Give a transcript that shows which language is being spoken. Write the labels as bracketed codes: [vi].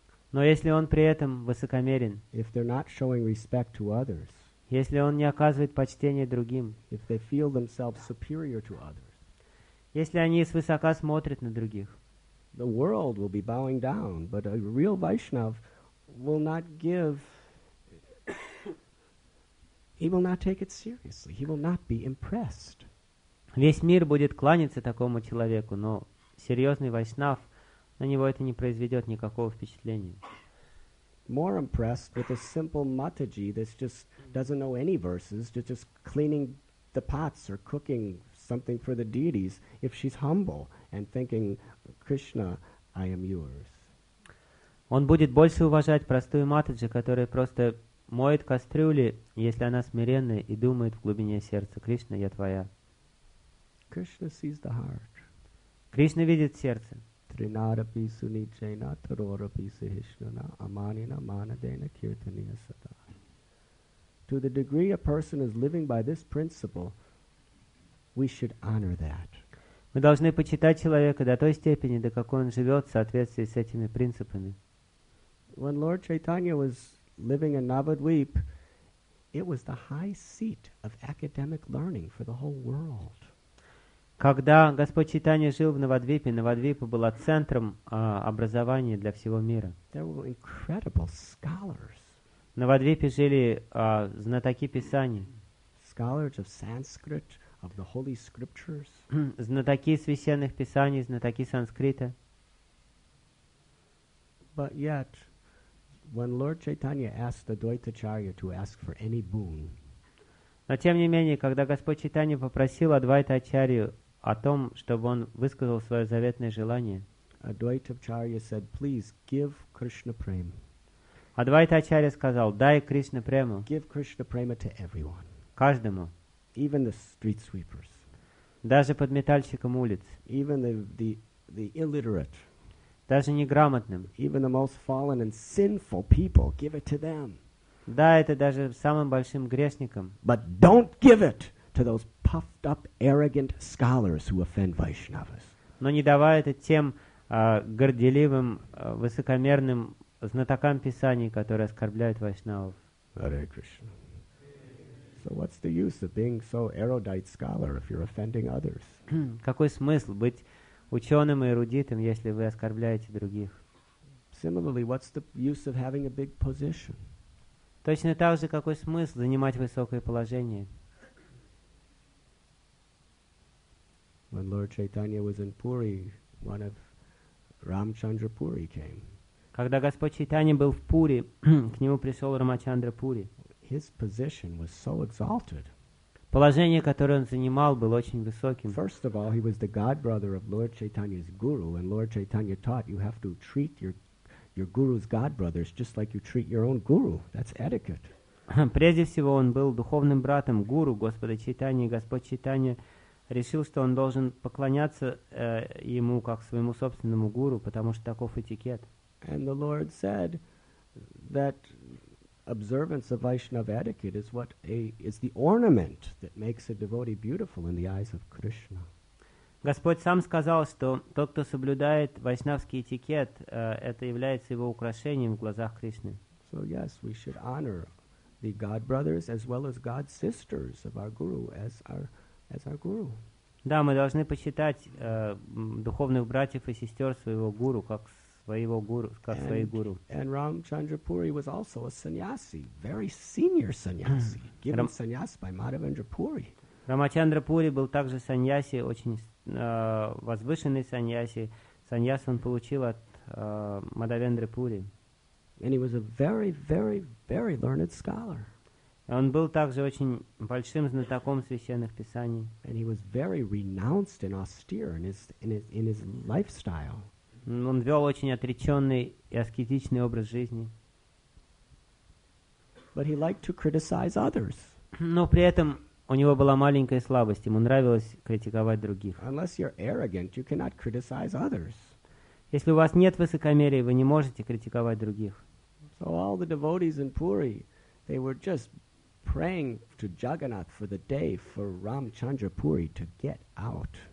[ru] но если он при этом высокомерен, [en] if they're not showing respect to others, [ru] если он не оказывает почтения другим, [en] if they feel themselves superior to others, [ru] если они свысока смотрят на других, [en] the world will be bowing down, but a real Vaishnav will not give. He will not take it seriously. He will not be impressed. [ru] Весь мир будет кланяться такому человеку, но серьезный Вайшнав, на него это не произведет никакого впечатления. [en] More impressed with a simple Mataji that just doesn't know any verses, just cleaning the pots or cooking something for the deities, if she's humble and thinking, Krishna, I am yours. [ru] Он будет больше уважать простую Матаджи, которая просто моет кастрюли, если она смиренная и думает в глубине сердца, Кришна, я твоя. [en] Krishna sees the heart. [ru] Кришна видит сердце. [sa] Trinarapi sunichena tarorapi sahishnana amanina manadena kirtaniya sada. [en] To the degree a person is living by this principle, we should honor that. [ru] Мы должны почитать человека до той степени, до какой он живет в соответствии с этими принципами. [en] When Lord Chaitanya was living in Navadvip, it was the high seat of academic learning for the whole world. [ru] Когда Господь Чайтанья жил в Навадвипе, Навадвипа была центром образования для всего мира. [en] There were incredible scholars. [ru] В Навадвипе жили знатоки Писаний. [en] Scholars of Sanskrit, of the holy scriptures. [ru] Знатоки священных Писаний, знатоки санскрита. [en] But yet, when Lord Chaitanya asked the Dvaitacharya to ask for any boon, [ru] но тем не менее, когда Господь Чайтанья попросил Адвайта-ачарью о том, чтобы он высказал свое заветное желание, [en] Адвайта-ачарья said, please give Krishna prema. [ru] Адвайта-ачарья сказал, дай Кришна прему. [en] Give Krishna prema to everyone. [ru] Каждому. [en] Even the street sweepers. [ru] Даже подметальщикам улиц. [en] Even the illiterate. [ru] Даже неграмотным. [en] Even the most fallen and sinful people, give it to them. [ru] Да, это даже самым большим грешникам. [en] But don't give it to those puffed up, arrogant scholars who offend Vaishnavas. [ru] Но не давай это тем горделивым, высокомерным знатокам Писаний, которые оскорбляют Вайшнавов. [en] Hare Krishna. So what's the use of being so erudite scholar if you're offending others? [ru] Какой смысл быть ученым и эрудитом, если вы оскорбляете других? [en] Similarly, what's the use of having a big position? [ru] Точно так же, какой смысл занимать высокое положение? [en] When Lord Chaitanya was in Puri, one of Ramchandra Puri came. [ru] Когда Господь Чайтанья был в Пури, к нему пришел Рамачандра Пури. [en] His position was so exalted. [ru] Положение, которое он занимал, было очень высоким. [en] First of all, he was the godbrother of Lord Chaitanya's guru, and Lord Chaitanya taught you have to treat your guru's godbrothers just like you treat your own guru. That's etiquette. [ru] Прежде всего, он был духовным братом гуру Господа Чайтаньи, и Господь Чайтанья решил, что он должен поклоняться ему как своему собственному гуру, потому что таков этикет. [en] And the Lord said that observance of Vaishnava etiquette is the ornament that makes a devotee beautiful in the eyes of Krishna. [ru] Господь сам сказал, что тот, кто соблюдает вайшнавский этикет, это является его украшением в глазах Кришны. [en] So yes, we should honor the god brothers as well as god sisters of our guru as our guru. [ru] Да, мы должны почитать духовных братьев и сестер своего гуру как своего гуру, как свои гуру. [en] And Ramchandra Puri was also a sannyasi, very senior sannyasi, given sannyas by Madhavendra Puri. [ru] Рамачандра Пури был также саньяси, очень возвышенный саньяси. Саньяс он получил от Мадхавендры Пури. [en] And he was a very, very, very learned scholar. [ru] Он был также очень большим знатоком священных писаний. [en] And he was very renounced and austere in his lifestyle. [ru] Он вел очень отреченный и аскетичный образ жизни. [en] But he liked to criticize others. [ru] Но при этом у него была маленькая слабость, ему нравилось критиковать других. [en] Unless you're arrogant, you cannot criticize others. [ru] Если у вас нет высокомерия, вы не можете критиковать других. [en] So all the devotees in Puri, they were just praying to Jagannath for the day for Ramchandra Puri to get out.